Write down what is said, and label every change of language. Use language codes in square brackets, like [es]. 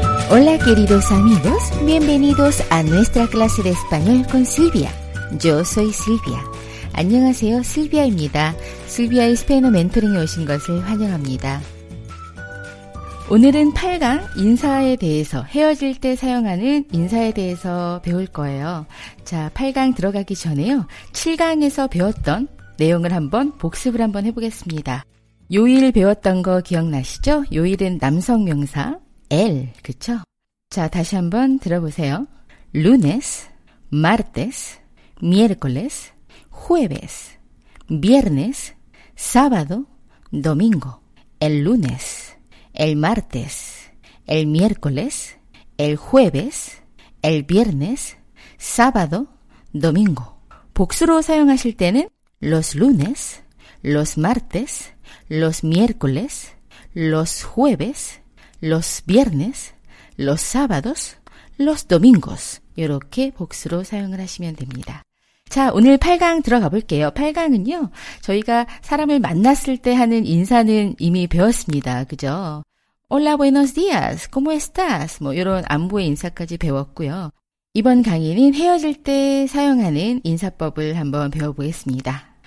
[es] Hola queridos amigos, bienvenidos a nuestra clase de español con Silvia. Yo soy Silvia. [ko] 안녕하세요, Silvia입니다. Silvia의 스페인어 멘토링에 오신 것을 환영합니다. 오늘은 8강 인사에 대해서, 헤어질 때 사용하는 인사에 대해서 배울 거예요. 자, 8강 들어가기 전에요. 7강에서 배웠던 내용을 한번 복습을 한번 해보겠습니다. 요일 배웠던 거 기억나시죠? 요일은 남성 명사 el, 그쵸? 자, 다시 한번 들어보세요. [es] lunes, martes, miércoles, jueves, viernes, sábado, domingo, el lunes, el martes, el miércoles, el jueves, el viernes, sábado, domingo. [ko] 복수로 사용하실 때는 [es] los lunes, los martes, los miércoles, los jueves, los viernes, los sábados, los domingos. [ko] 이렇게 복수로 사용을 하시면 됩니다. 자, 오늘 8강 들어가 볼게요. 8강은요, 저희가 사람을 만났을 때 하는 인사는 이미 배웠습니다. 그죠? [es] Hola, buenos días. ¿Cómo estás? [ko] 뭐 이런 안부의 인사까지 배웠고요. 이번 강의는 헤어질 때 사용하는 인사법을 한번 배워보겠습니다.